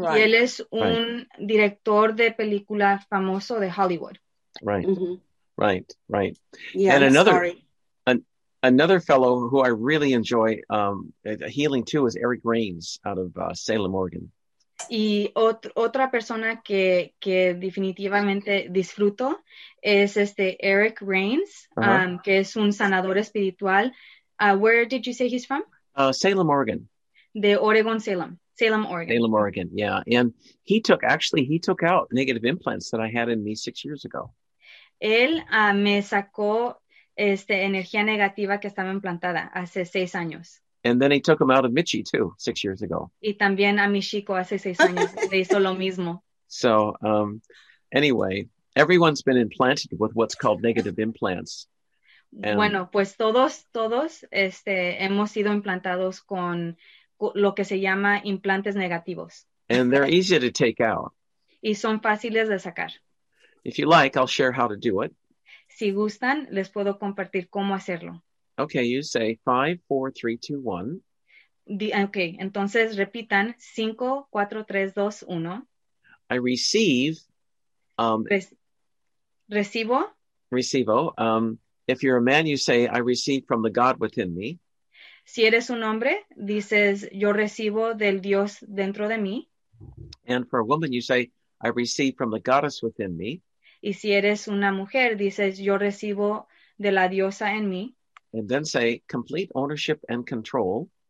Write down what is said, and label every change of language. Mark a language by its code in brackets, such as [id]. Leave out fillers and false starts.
[es] Y él es un director de película famoso de Hollywood. [en] Right, mm-hmm. Right, right. Yeah, Another fellow who I really enjoy healing too is Eric Rains out of Salem, Oregon. [es] Y otra persona que definitivamente disfruto es Eric Rains, uh-huh. Que es un sanador espiritual. [en] Where did you say he's from? Salem, Oregon. [es] De Oregon, Salem. Salem, Oregon. [en] Salem, Oregon, yeah. And he took out negative implants that I had in me 6 years ago. [es] Él me sacó energía negativa que estaba implantada hace 6 años. [en] And then he took them out of Mitchie too, 6 years ago. [es] Y también a mi chico hace 6 años le hizo lo mismo. [en] So, anyway, everyone's been implanted with what's called negative implants. [es] Bueno, pues todos hemos sido implantados con lo que se llama implantes negativos. [en] And they're easy to take out. [es] Y son fáciles de sacar. [en] If you like, I'll share how to do it. [es] Si gustan, les puedo compartir cómo hacerlo. [en] Okay, you say 5, 4, 3, 2, 1. [es] Okay, entonces repitan 5, 4, 3, 2, 1. [en] I receive. [es] Recibo. Recibo. [en] If you're a man, you say I receive from the God within me. [es] Si eres un hombre, dices yo recibo del Dios dentro de mí. [en] And for a woman, you say I receive from the goddess within me. [es] Y si eres una mujer, dices, yo recibo de la diosa en mí. [en] And then say, complete ownership and control.